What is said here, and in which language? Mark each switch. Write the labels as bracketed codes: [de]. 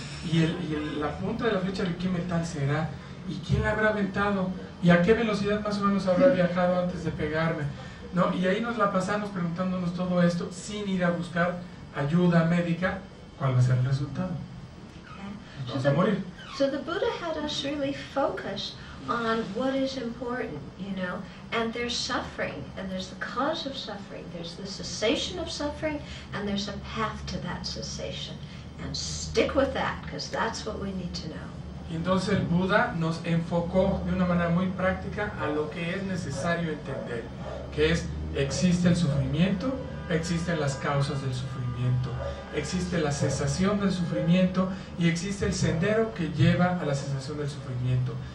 [es] Y la punta de la flecha, ¿de qué metal será? ¿Y quién la habrá aventado? ¿Y a qué velocidad más o menos habrá viajado antes de pegarme? ¿No? Y ahí nos la pasamos preguntándonos todo esto sin ir a buscar ayuda médica, ¿cuál va a ser el resultado? Vamos a morir. [en] So the Buddha had us really focus on what is important, you know, and there's suffering, and there's the cause of suffering, there's the cessation of suffering, and there's a path to that cessation. And stick with that, because that's what we need to know. [es] Y entonces el Buda nos enfocó de una manera muy práctica a lo que es necesario entender, que es, existe el sufrimiento, existen las causas del sufrimiento. Existe la cesación del sufrimiento y existe el sendero que lleva a la cesación del sufrimiento.